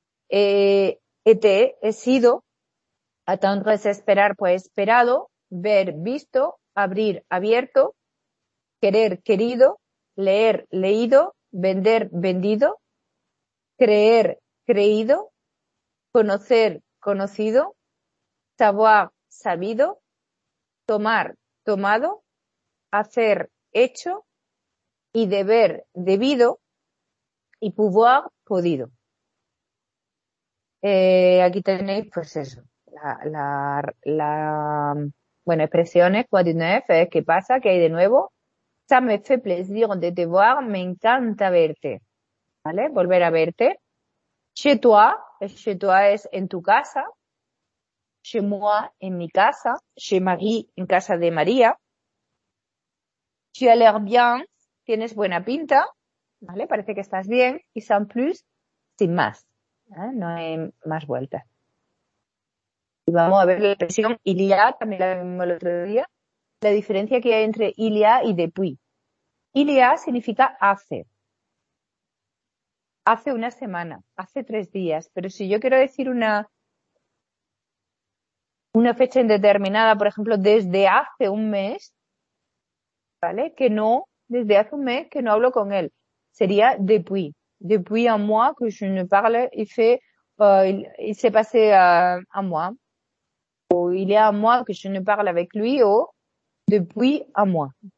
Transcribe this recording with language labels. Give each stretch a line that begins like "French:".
Spanish: Et, été, he sido, attendre, es esperar, pues esperado, ver, visto, abrir, abierto, querer, querido, leer, leído, vender, vendido, creer, creído, conocer, conocido, savoir, sabido, tomar, tomado, hacer, hecho, y deber, debido, y pouvoir, podido. Aquí tenéis, pues eso, las expresiones, quoi de neuf, ¿qué pasa? ¿Qué hay de nuevo?
French: Ça me fait plaisir de te voir, me encanta verte.
Spanish: ¿Vale? Volver a verte. Chez toi es en tu casa, chez moi en mi casa, chez Marie en casa de María. Tu as l'air bien, tienes buena pinta, ¿vale? Parece que estás bien, y sans plus, sin más, ¿eh? No hay más vueltas. Y vamos a ver la expresión il y a, también la vimos el otro día, la diferencia que hay entre il y a y depuis. Il y a significa hace. Hace una semana, hace 3 días, pero si yo quiero decir una fecha indeterminada, por ejemplo, desde hace un mes, ¿vale? Que no, desde hace un mes que no hablo con él, sería depuis.
French: Depuis un mois que je ne parle, il fait, il s'est passé un mois. O il y a un mois que je ne parle avec lui, o depuis un mois.